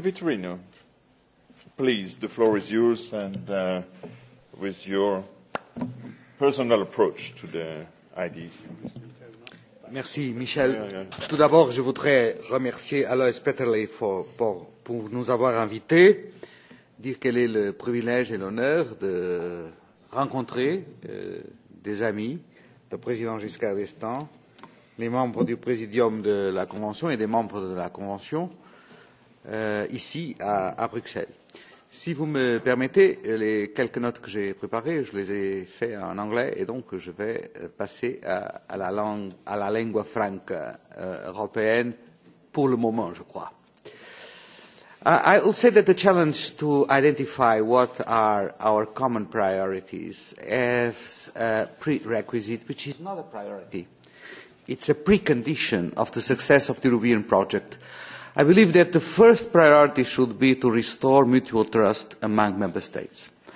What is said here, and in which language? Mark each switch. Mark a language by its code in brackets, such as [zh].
[en] Vitorino, please, the floor is yours and with your personal approach to the ideas. [fr] Merci, Michel. Yeah, yeah. Tout d'abord, je voudrais remercier Alojz Peterle pour nous avoir invités, dire quel est le privilège et l'honneur de rencontrer des amis, le président Giscard d'Estaing, les membres du Présidium de la Convention et des membres de la Convention ici à Bruxelles. Si vous me permettez, les quelques notes que j'ai préparées, je les ai faites en anglais et donc je vais passer à la langue franque européenne pour le moment, je crois. [en] I will say that the challenge to identify what are our common priorities is a prerequisite, which is not a priority. It's a precondition of the success of the European project. I believe that the first priority should be to restore mutual trust among member states.